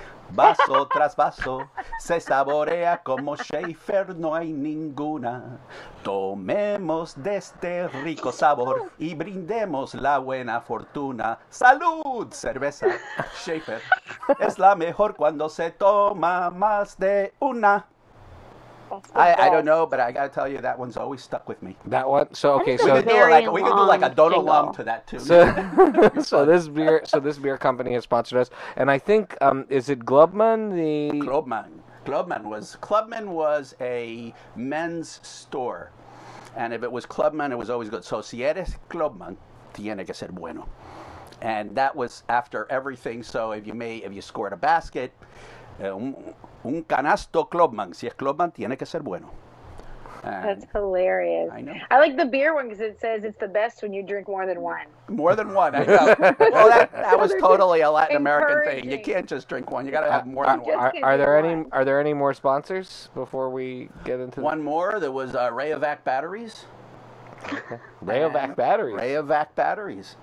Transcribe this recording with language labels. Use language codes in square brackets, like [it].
[es] Vaso tras vaso, se saborea como Schaefer, no hay ninguna. Tomemos de este rico sabor y brindemos la buena fortuna. ¡Salud! Cerveza Schaefer es la mejor cuando se toma más de una. [en] I don't know, but I got to tell you, that one's always stuck with me. That one? So, okay. So we can do like a don't alum to that, too. So, this beer company has sponsored us. And I think, is it Clubman? Clubman was a men's store. And if it was Clubman, it was always good. So [es] si eres Clubman, tiene que ser bueno. [en] And that was after everything. So if you scored a basket... [es] un canasto Clubman. Si es Clubman, tiene que ser bueno. [en] That's hilarious. I know. I like the beer one because it says it's the best when you drink more than one. More than one. I know. Well, that was totally a Latin American thing. You can't just drink one. You got to have more than one. Are there any more sponsors before we get into one the... more? There was Rayovac Batteries. Rayovac Batteries.